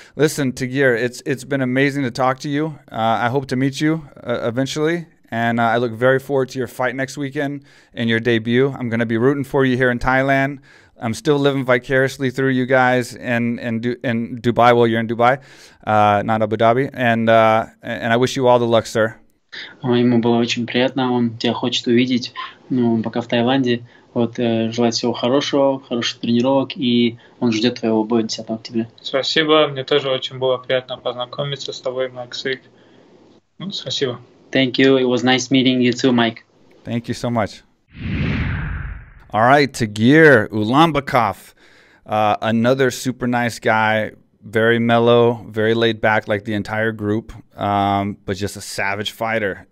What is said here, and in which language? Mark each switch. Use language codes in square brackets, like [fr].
[en] Listen, Tagir, it's been amazing to talk to you. I hope to meet you eventually, And I look very forward to your fight next weekend and your debut. I'm going to be rooting for you here in Thailand. I'm still living vicariously through you guys in Dubai. Well, you're in Dubai, not Abu Dhabi. And I wish you all the luck, sir. [ru] Ему было очень приятно, он тебя хочет увидеть, ну, пока в Таиланде. Вот, желаю всего хорошего, хороших тренировок, и он ждет твоего боя 10 октября. Спасибо, мне тоже очень было приятно познакомиться с тобой, Майк Свик. Спасибо. [en] Thank you, it was nice meeting you too, Mike. Thank you so much. All right, Tagir Ulanbekov, another super nice guy. Very mellow, very laid back, like the entire group, but just a savage fighter.